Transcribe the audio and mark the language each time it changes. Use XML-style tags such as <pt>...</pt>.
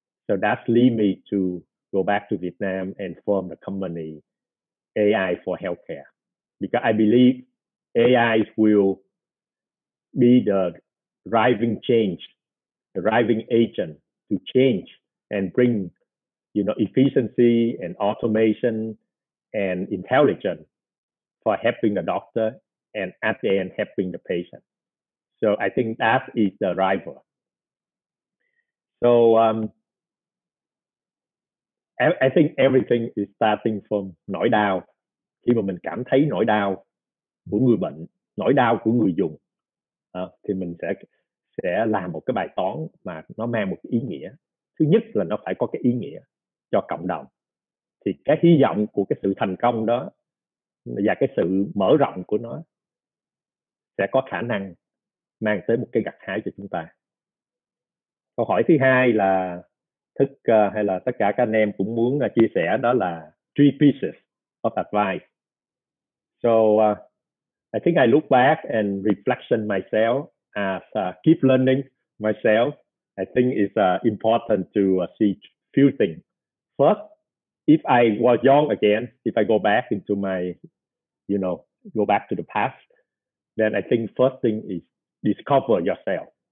<en>So that lead me to go back to Vietnam and form the company AI for healthcare, because I believe AI will be the driving change, the driving agent to change and bring, efficiency and automation and intelligence for helping the doctor and at the end helping the patient. So I think that is the driver. So I think everything is starting from</en> <vi>nỗi đau. Khi mà mình cảm thấy nỗi đau của người bệnh, nỗi đau của người dùng, thì mình sẽ làm một cái bài toán mà nó mang một cái ý nghĩa. Thứ nhất là nó phải có cái ý nghĩa cho cộng đồng. Thì cái hy vọng của cái sự thành công đó và cái sự mở rộng của nó sẽ có khả năng mang tới một cái gặt hái cho chúng ta. Câu hỏi thứ hai là Thuc hay là tất cả các anh em cũng muốn chia sẻ, đó là</vi> <en>three pieces of advice. So I think I look back and reflection myself as keep learning myself. I think it's important to see few things. First, if I was young again, if I go back into my, you know, go back to the past, then I think first thing is discover yourself.</en>